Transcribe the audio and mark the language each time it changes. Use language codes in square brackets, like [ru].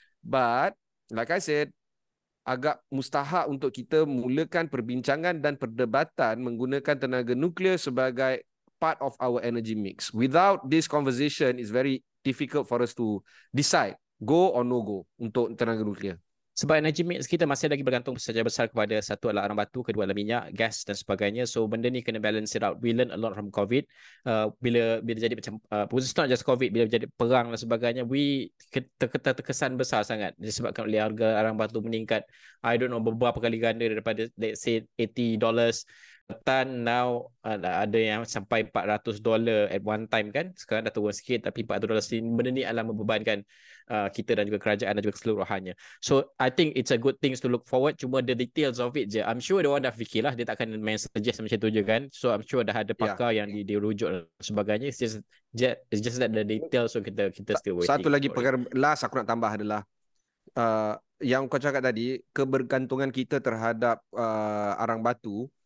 [en] But like I said, [ms] agak mustahak untuk kita mulakan perbincangan dan perdebatan menggunakan tenaga nuklear sebagai [en] part of our energy mix. Without this conversation, it's very difficult for us to decide go or no go [ms] untuk tenaga nuklear. Sebab energy mix kita masih lagi bergantung secara besar kepada satu adalah arang batu, kedua adalah minyak, gas dan sebagainya. So benda ni kena [en] balance it out. We learn a lot from COVID. [ms] Bila jadi macam, [en] it's not just COVID, [ms] bila jadi perang dan sebagainya, terkesan besar sangat disebabkan oleh harga arang batu meningkat. [en] I don't know, [ms] beberapa kali ganda daripada [en] let's say [ms] $80. Tan now ada yang sampai $400 [en] at one time [ms] kan. Sekarang dah turun sikit tapi $400 ni, benda ni adalah membebankan kita dan juga kerajaan dan juga keseluruhannya. [en] So I think it's a good thing to look forward. [ms] Cuma [en] the details of it [ms] je, [en] I'm sure [ms] dia orang dah fikirlah. Dia takkan main suggest macam tu je kan. So I'm sure dah ada pakar yang dirujuk dan sebagainya. [en] It's just that the details. So kita still waiting. [ms] Satu lagi perkara last aku nak tambah adalah yang kau cakap tadi, kebergantungan kita terhadap arang batu.